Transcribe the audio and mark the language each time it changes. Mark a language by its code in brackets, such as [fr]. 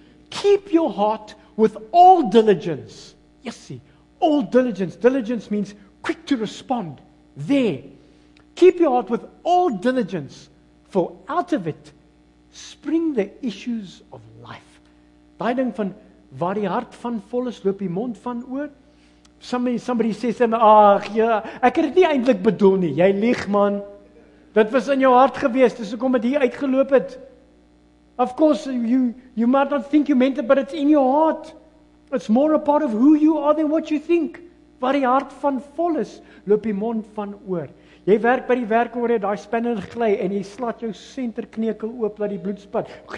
[en] Keep your heart with all diligence. Yes, see, all diligence. Diligence means quick to respond. There. Keep your heart with all diligence, for out of it spring the issues of life. [af] Tyding van waar die hart van vol is, loop die mond van oor. [en] Somebody says to me, [af] ach, ja, ek het dit nie eintlik bedoel nie. Jy lieg, man. Dit was in jou hart gewees, dis hoekom dit hier uitgeloop het. [en] Of course, you might not think you meant it, but it's in your heart. It's more a part of who you are than what you think. [af] Waar die hart van vol is, loop die mond van oor. Jy werk by die werk waar jy daai spinner gly en jy slaat jou senterkneukel oop dat die bloed spat.